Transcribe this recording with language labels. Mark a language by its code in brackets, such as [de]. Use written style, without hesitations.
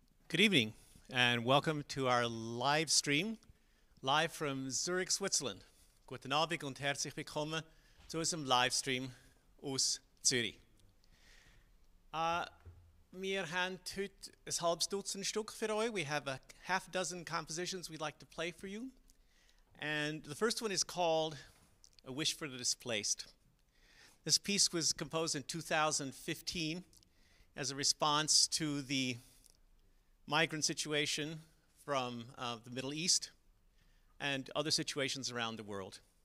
[en] Good evening, and welcome to our live stream, live from Zurich, Switzerland. [de] Guten Abend und herzlich willkommen zu unserem Livestream aus Zürich. Wir haben heute ein halbes Dutzend Stück für euch. [en] We have a half dozen compositions we'd like to play for you. And the first one is called A Wish for the Displaced. This piece was composed in 2015 as a response to the migrant situation from the Middle East and other situations around the world.